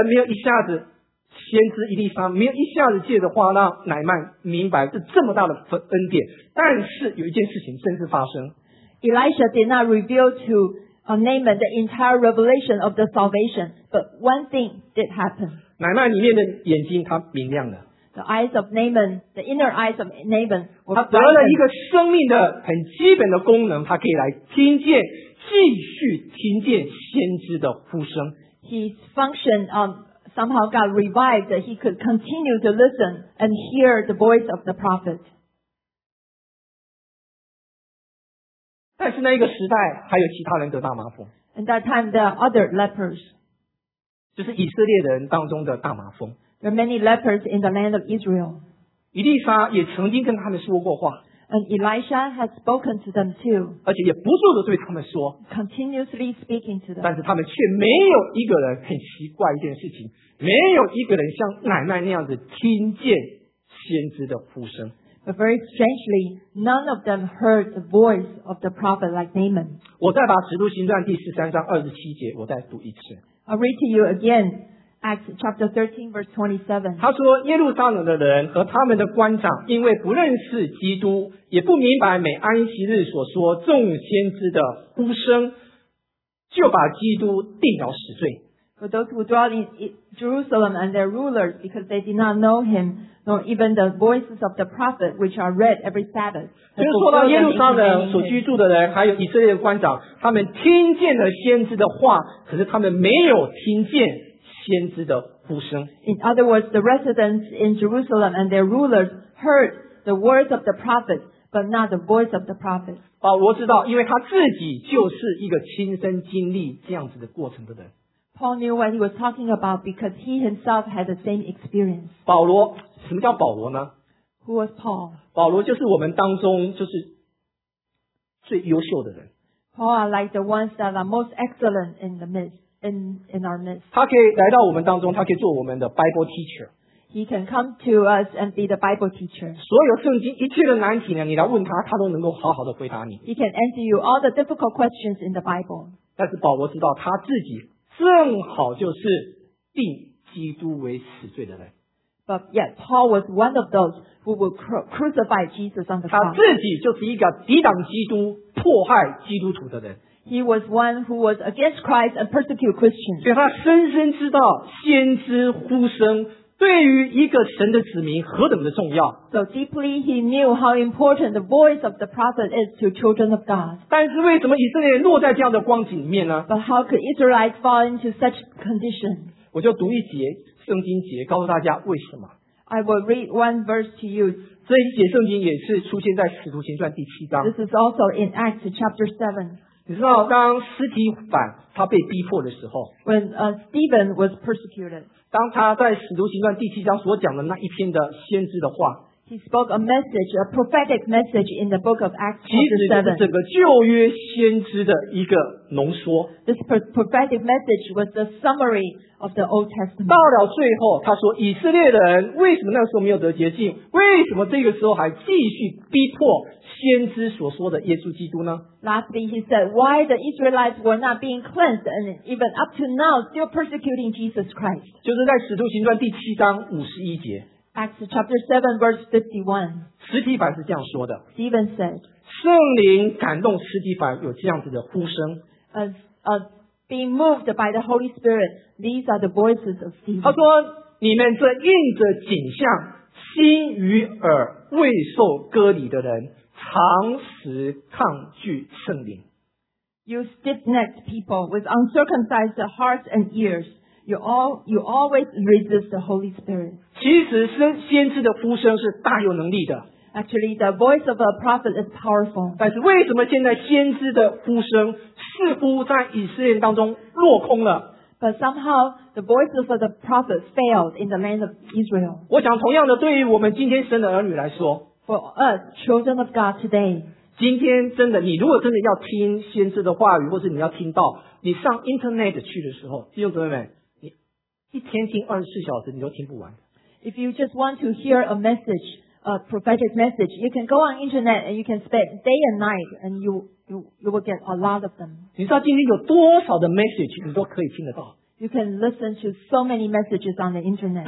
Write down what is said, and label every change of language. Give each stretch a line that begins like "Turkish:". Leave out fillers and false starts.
Chinese: 神没有一下子先知伊丽莎没有一下子借着话让乃曼明白是这么大的恩典，但是有一件事情真是发生。
English: Elisha did not reveal to Naaman the entire revelation of the salvation, but one thing did happen.
Chinese: 乃曼里面的眼睛他明亮了。
English: The eyes of Naaman, the inner eyes of Naaman.
Chinese: 他得了一个生命的很基本的功能，他可以来听见，继续听见先知的呼声。
English: His function somehow got revived that he could continue to listen and hear the voice of the prophet.
Chinese: 但是那个时代还有其他人得大麻风。
English: In that time, there are other lepers.
Chinese: 就是以色列人当中的大麻风。
English: There are many lepers in the land of Israel.
Chinese: 伊丽莎也曾经跟他们说过话。
English: And Elisha has spoken to them too.
Chinese: 而且也不住地对他们说。
English: Continuously speaking to them.
Chinese: 但是他们却没有一个人，很奇怪一件事情，没有一个人像乃曼那样子听见先知的呼声。
English: But very strangely, none of them heard the voice of the prophet like Naaman.
Chinese: 我再把《使徒行传》第十三章二十七节，我再读一次。
English: I'll read to you again. Acts chapter 13 verse 27.
Chinese: 他说耶路撒冷的人和他们的官长因为不认识基督也不明白每安息日所说众先知的呼声就把基督定了死罪。
English: For those who dwell in Jerusalem and their rulers because they did not know him nor even the voices of the prophet which are read every Sabbath.
Chinese: 就是说到耶路撒冷所居住的人还有以色列的官长他们听见了先知的话可是他们没有听见先知的呼声。
English: In other words, the residents in Jerusalem and their rulers heard the words of the prophet, but not the voice of the prophet.
Chinese: 保罗知道，因为他自己就是一个亲身经历这样子的过程的人。
English: Paul knew what he was talking about because he himself had the same experience.
Chinese: 保罗，什么叫保罗呢？
English: Who was Paul?
Chinese: 保罗就是我们当中就是最优秀的人。
English: Paul are like the ones that are most excellent in the midst, in our midst.
Chinese: 他可以来到我们当中，他可以做我们的
English: Bible teacher. He can come to us and be the Bible teacher.
Chinese: 所有圣经一切的难题呢，你来问他，他都能够好好的回答你。
English: He can answer you all the difficult questions in the Bible.
Chinese: 但是保罗知道他自己正好就是定基督为死罪的人。
English: But yet Paul was one of those who would crucify Jesus on the cross.
Chinese: 他自己就是一个抵挡基督、迫害基督徒的人。
English: He was one who was against Christ and persecuted Christians.
Chinese: 所以他深深知道先知呼声。对于一个神的子民何等的重要。
English: So deeply he knew how important the voice of the prophet is to children of God.
Chinese: 但是为什么以色列落在这样的光景里面呢？
English: But how could Israelites fall into such condition?
Chinese: 我就读一节圣经节告诉大家为什么。
English: I will read one verse to you.
Chinese: 这一节圣经也是出现在使徒行传第七章。
English: This is also in Acts chapter 7.
Chinese: 你知道当斯提反他被逼迫的时候。
English: When Stephen was persecuted.
Chinese: 当他在使徒行传第七章所讲的那一篇的先知的话
English: He spoke a message, a prophetic message in the book of Acts
Chinese: 其实就是整个旧约先知的一个浓缩
English: This prophetic message was the summary of the Old Testament
Chinese: 到了最后他说以色列人为什么那时候没有得洁净为什么这个时候还继续逼迫先知所说的耶稣基督呢
English: Lastly, he said, why the Israelites were not being cleansed and even up to now still persecuting Jesus Christ?
Chinese: 就是在使徒行传第七章五十一节
English: Acts chapter 7 verse 51
Chinese: 斯提凡是这样说的
English: Stephen said,
Chinese: 圣灵感动斯提凡有这样子的呼声
English: being moved by the Holy Spirit, these are the voices of Stephen.
Chinese: 他说你们这应着景象心与耳未受割礼的人常时抗拒圣灵。
English: You stiff-necked people with uncircumcised hearts and ears, you always resist the Holy Spirit.
Chinese: 其实先知的呼声是大有能力的。
English: Actually, the voice of a prophet is powerful.
Chinese: 但是为什么现在先知的呼声似乎在以色列当中落空了？
English: But somehow the voices of the prophet failed in the land of Israel.
Chinese: 我想同样的，对于我们今天神的儿女来说。
English: For us, children of God today.
Chinese: 今天真的，你如果真的要听先知的话语，或是你要听到，你上 internet 去的时候，弟兄姊妹们，你一天听二十四小时，你都听不完。
English: If you just want to hear a message, a prophetic message, you can go on internet and you can spend day and night, and you will get a lot of them.
Chinese: 你知道今天有多少的 message 你都可以听得到。
English: You can listen to so many messages on the internet.